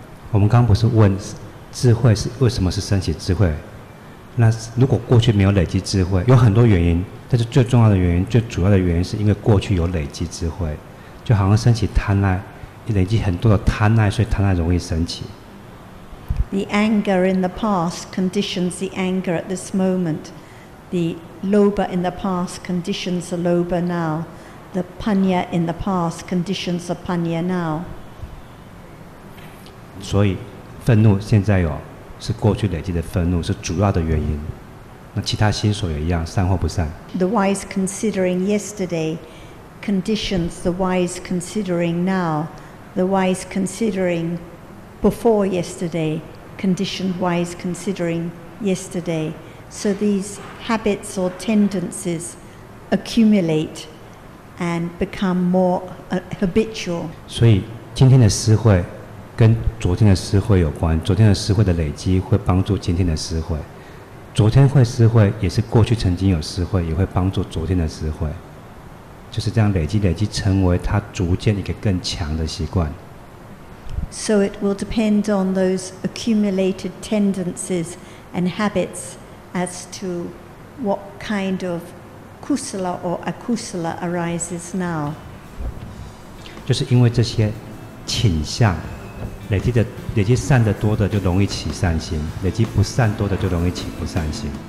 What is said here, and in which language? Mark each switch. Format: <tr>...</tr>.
<zh>我们刚刚不是问智慧是为什么是升起智慧？那如果过去没有累积智慧，有很多原因，但是最重要的原因、最主要的原因，是因为过去有累积智慧，就好像升起贪爱，你累积很多的贪爱，所以贪爱容易升起。</zh> <en>The anger in the past conditions the anger at this moment. The lobha in the past conditions the lobha now. The panya in the past conditions the panya now.</en> <zh>所以愤怒现在有，是过去累积的愤怒是主要的原因。那其他心所也一样，善或不善。</zh> <en>The wise considering yesterday conditions the wise considering now. The wise considering before yesterday conditioned wise considering yesterday. So these habits or tendencies accumulate and become more habitual.</en> <zh>所以今天的思慧跟昨天的思慧有关，昨天的思慧的累积会帮助今天的思慧，昨天会思慧也是过去曾经有思慧，也会帮助昨天的思慧，就是这样累积累积成为它逐渐一个更强的习惯。</zh> <en>So it will depend on those accumulated tendencies and habits as to what kind of kusala or akusala arises now.</en> <zh>就是因为这些倾向累积的累积善的多的就容易起善心，累积不善多的就容易起不善心。</zh>